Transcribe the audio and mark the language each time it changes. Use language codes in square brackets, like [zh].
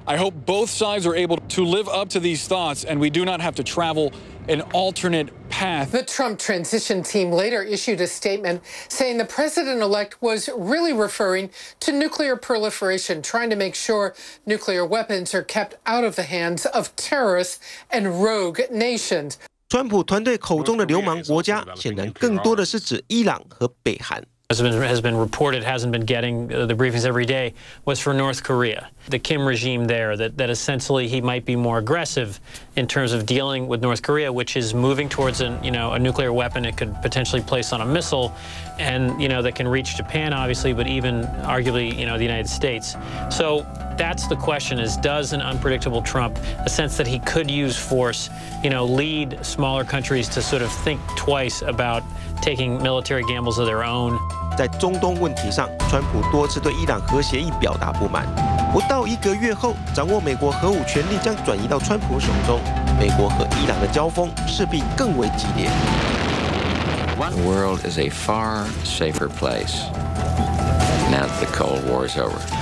[en] I hope both sides are able to live up to these thoughts and we do not have to travel an alternate path. The Trump transition team later issued a statement saying the president-elect was really referring to nuclear proliferation, trying to make sure nuclear weapons are kept out of the hands of terrorists and rogue nations. [zh] 川普团队口中的流氓国家显然更多的是指伊朗和北韩。 [en] Has been reported, hasn't been getting the briefings every day, was for North Korea. The Kim regime there, that essentially he might be more aggressive in terms of dealing with North Korea, which is moving towards a nuclear weapon it could potentially place on a missile, and you know, that can reach Japan, obviously, but even arguably the United States. So that's the question, is does an unpredictable Trump, a sense that he could use force, lead smaller countries to sort of think twice about... taking military gambles of their own. [zh] 在中东问题上，川普多次对伊朗核协议表达不满。不到一个月后，掌握美国核武权力将转移到川普手中，美国和伊朗的交锋势必更为激烈。 [en] The world is a far safer place now that the Cold War is over.